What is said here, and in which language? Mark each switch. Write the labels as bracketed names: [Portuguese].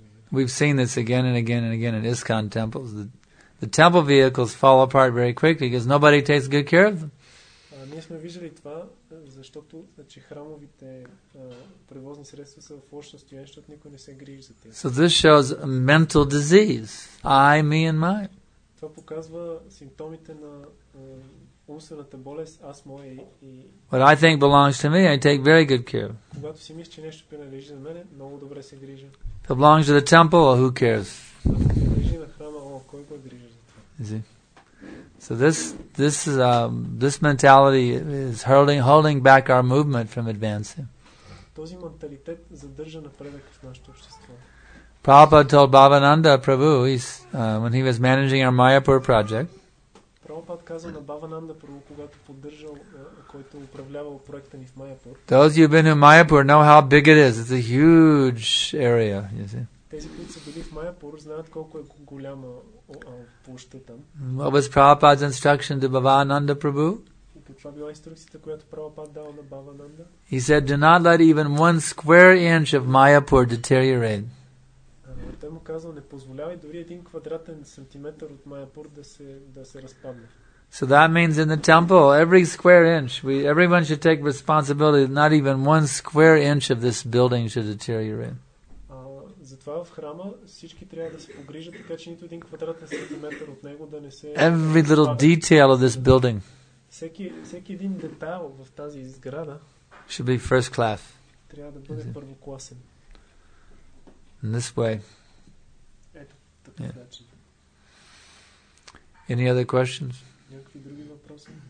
[English] We've seen this again and again and again in ISKCON temples. The temple vehicles fall apart very quickly because nobody takes good care of them. [Bulgarian] Ние сме виждали това, защото че храмовите превозни средства са в лошо състояние, защото никой не се грижи за тях. [English] So this shows a mental disease. I, me and mine. [Bulgarian] Това показва симптомите на умствената болест, аз, мое и... [English] What I think belongs to me, I take very good care. [Bulgarian] Когато си мисля, че нещо принадлежи на мене, много добре се грижа. [English] If it belongs to the temple, or who cares? [Bulgarian] Принадлежи на храма, о, кой го грижа за това? [English] So this mentality is holding back our movement from advancing. [Bulgarian] Този менталитет задържа напредък в нашето общество. [English] Prabhupada told Bhavananda Prabhu, when he was managing our Mayapur project, [Bulgarian] Прабхупад казал на Бхавананда Прабху, когато поддържал, който управлявал проекта ни в Майяпур. [English] Those who've been in Майяпур know how big it is. It's a huge area, you see. [Bulgarian] Тези, които са били в Майяпур, знаят колко е голяма площта там. [English] What was Prabhupada's instruction to Bhavananda Prabhu? [Bulgarian] Каква била инструкцията, която Прабхупад дал на Бхавананда? [English] He said, do not let even one square inch of Майяпур deteriorate. [Bulgarian] Той му казал, не позволявай дори един квадратен сантиметър от Майяпур да се разпадне. [English] So that means in the temple, every square inch, everyone should take responsibility, not even one square inch of this building should deteriorate. [Bulgarian] Затова в храма всички трябва да се погрижат, така че нито един квадратен сантиметър от него да не се... [English] Every little detail of this building. [Bulgarian] Всеки един детайл в тази сграда [English] should be first class. [Bulgarian] Трябва да бъде първокласен. [English] In this way. [Bulgarian] Ето, [English] yeah. Any other questions? [Bulgarian] Някакви други въпроси?